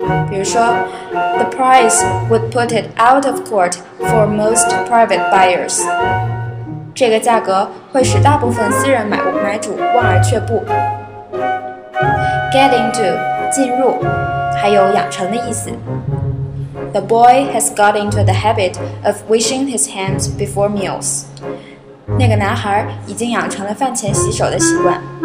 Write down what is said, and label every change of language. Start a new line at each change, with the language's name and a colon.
Chinese: 比如说
English: ,The price would put it out of court for most private buyers.
Chinese: 这个价格会使大部分私人买主望而却步。
English: Get into,
Chinese: 进入，还有养成的意思。
English: The boy has got into the habit of washing his hands before meals.
Chinese: 那个男孩已经养成了饭前洗手的习惯。